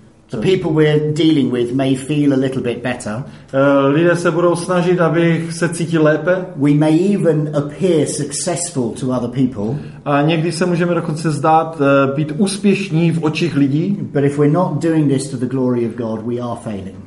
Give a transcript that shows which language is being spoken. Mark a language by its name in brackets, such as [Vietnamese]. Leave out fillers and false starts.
[English] The people we're dealing with may feel a little bit better. [Czech] Lidé se budou snažit, abych se cítil lépe. [English] We may even appear successful to other people. [Czech] A někdy se můžeme dokonce zdát být úspěšní v očích lidí. [English] But if we're not doing this to the glory of God, we are failing.